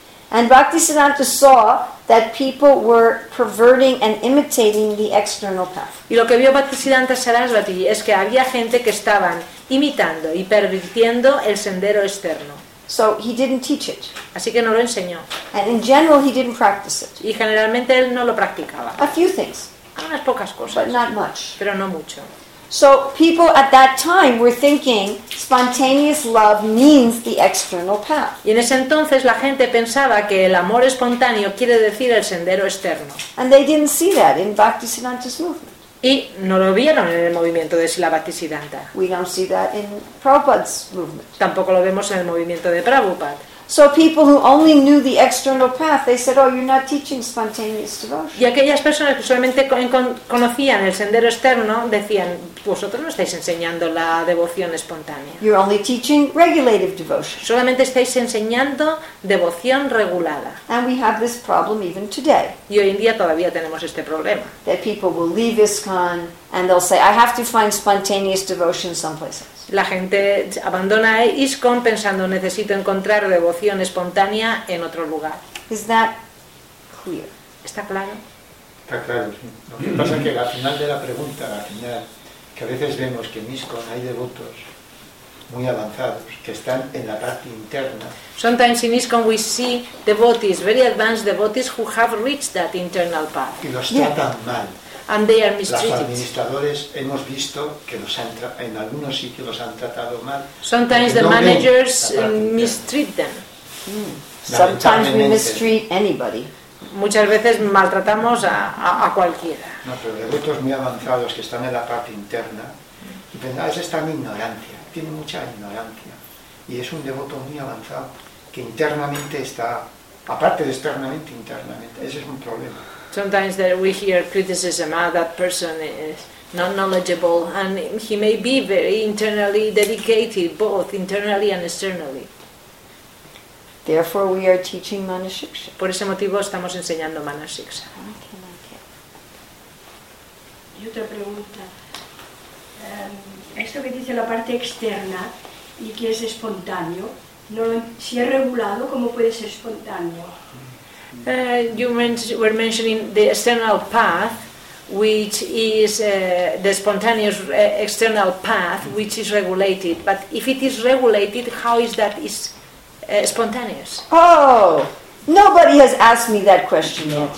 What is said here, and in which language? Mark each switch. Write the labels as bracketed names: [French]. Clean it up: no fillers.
[English] And Bhaktisiddhanta saw that people were perverting and imitating the external path. [Spanish] Y lo que vio Bhaktisiddhanta Sarasvati es que había gente que estaban imitando y pervirtiendo el sendero externo. [English] So he didn't teach it. [Spanish] Así que no lo enseñó. [English] And in general he didn't practice it. [Spanish] Y generalmente él no lo practicaba. [English] A few things. [Spanish] Unas pocas cosas. [English] But not much. [Spanish] Pero no mucho. [English] So people at that time were thinking spontaneous love means the external path. [Spanish] Y en ese entonces la gente pensaba que el amor espontáneo quiere decir el sendero externo. [English] And they didn't see that in Bhaktisiddhanta's movement. [Spanish] Y no lo vieron en el movimiento de Srila Bhaktisiddhanta. [English] We don't see that in Prabhupada's movement. [Spanish] Tampoco lo vemos en el movimiento de Prabhupada. [English] So people who only knew the external path, they said, "Oh, you're not teaching spontaneous devotion." [Spanish] Y aquellas personas que solamente conocían el sendero externo decían, "Vosotros no estáis enseñando la devoción espontánea." [English] You're only teaching regulative devotion. [Spanish] Solamente estáis enseñando devoción regulada. [English] And we have this problem even today. [Spanish] Y hoy en día todavía tenemos este problema. [English] That people will leave ISKCON and they'll say, "I have to find spontaneous devotion someplace else." [Spanish] La gente abandona ISKCON pensando necesito encontrar devoción espontánea en otro lugar. [English] Is that clear? [Spanish] ¿Está claro? Está claro, sí. Lo que pasa es que al final de la pregunta, al final, que a veces vemos que en ISKCON hay devotos muy avanzados que están en la parte interna. [English] Sometimes in ISKCON we see devotees, very advanced devotees who have reached that internal path. [Spanish] Y los tratan mal. [English] And they are mistreated. [Spanish] Los administradores hemos visto que los han en algunos sitios los han tratado mal. [English] Sometimes the managers mistreat them. Sometimes we mistreat anybody. [Spanish] Muchas veces maltratamos a cualquiera. No, pero devotos muy avanzados que están en la parte interna, y pensar, es esta mi ignorancia, tiene mucha ignorancia, y es un devoto muy avanzado que internamente está, aparte de externamente, internamente, ese es un problema. [English] Sometimes that we hear criticism, that person is not knowledgeable, and he may be very internally dedicated, both internally and externally. Therefore, we are teaching Manasiksha. [Spanish] Por ese motivo estamos enseñando Manasiksha. Okay, okay. Y otra pregunta. Esto que dice la parte externa y que es espontáneo, no, si es regulado, ¿cómo puede ser espontáneo? [English] You were mentioning the external path, which is the spontaneous external path, which is regulated. But if it is regulated, how is that is spontaneous? Oh, nobody has asked me that question yet.